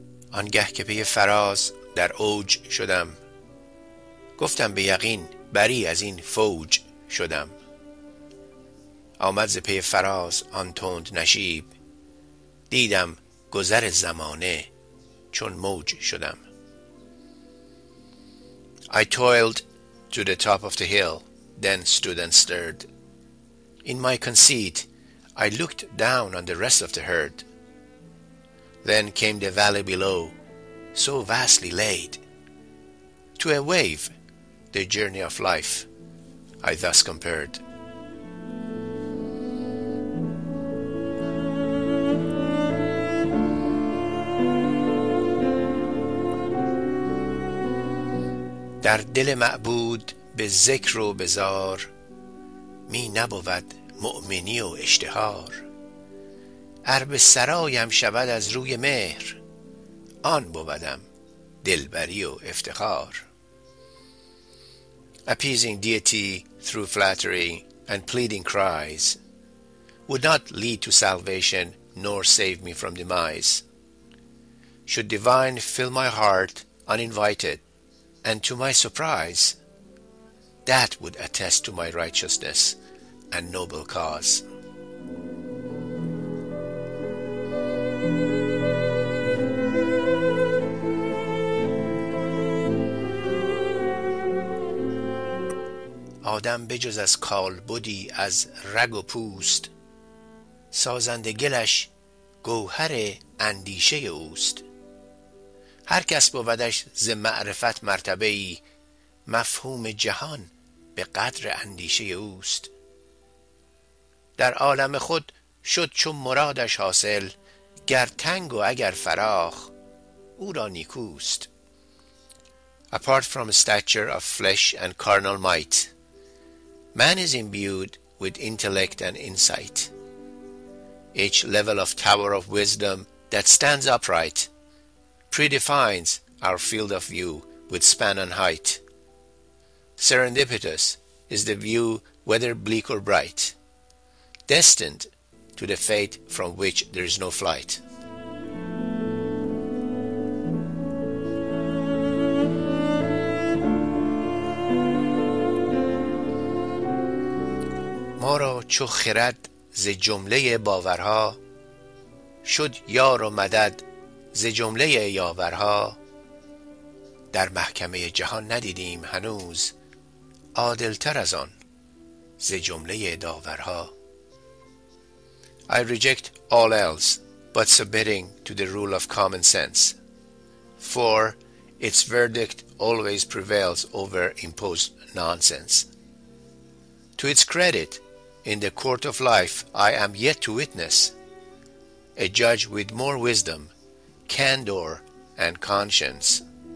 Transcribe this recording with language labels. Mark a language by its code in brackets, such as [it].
[fa] آنگه که پی فراز در اوج شدم، گفتم به یقین بری از این فوج شدم. آمد ز پی فراز آن تند نشیب، دیدم گذر زمانه چون موج شدم. [en] I toiled to the top of the hill, then stood and stirred. In my conceit, I looked down on the rest of the herd. Then came the valley below, so vastly laid. To a wave, the journey of life, I thus compared. [fa] در دل معبود به ذکر و بزار می نبود مؤمنی و اشتهار. عرب سرایم شود از روی مهر، آن بودم دلبری و افتخار. [en] Appeasing deity through flattery and pleading cries would not lead to salvation nor save me from demise. Should divine fill my heart uninvited, and to my surprise, that would attest to my righteousness and noble cause. [fa] آدم بجز از کالبدی از رگ و پوست، سازنده گلش گوهر اندیشه اوست. هر کس بودش ز معرفت مرتبه‌ای، مفهوم جهان به قدر اندیشه اوست. در عالم خود شد چون مرادش حاصل، گر تنگ و اگر فراخ او را نیکوست. [en] Apart from stature of flesh and carnal might, man is imbued with intellect and insight. Each level of tower of wisdom that stands upright predefines our field of view with span and height. Serendipitous is the view, whether bleak or bright, destined to the fate from which there is no flight. [fa] ما را چو خرد ز جمله باورها شد یار و مدد ز جمله یاورها. در محکمه جهان ندیدیم هنوز عادلتر از آن ز جمله داورها. [en] I reject all else but submitting to the rule of common sense, for its verdict always prevails over imposed nonsense. To its credit, in the court of life I am yet to witness a judge with more wisdom, candor, and conscience.